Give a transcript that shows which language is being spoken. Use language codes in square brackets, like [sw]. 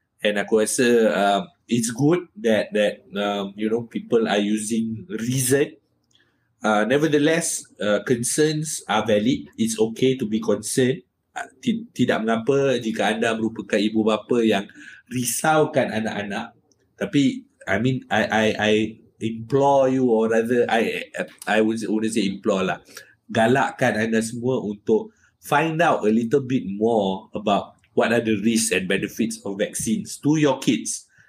[en] And [ms] aku rasa [en] it's good that you know, people are using reason. Nevertheless, concerns are valid. It's okay to be concerned. [ms] Tidak mengapa jika anda merupakan ibu bapa yang risaukan anak-anak. Tapi [en] I implore you, or rather I wouldn't say implore lah, [ms] galakkan anda semua untuk [en] find out a little bit more about what are the risks and benefits of vaccines to your kids.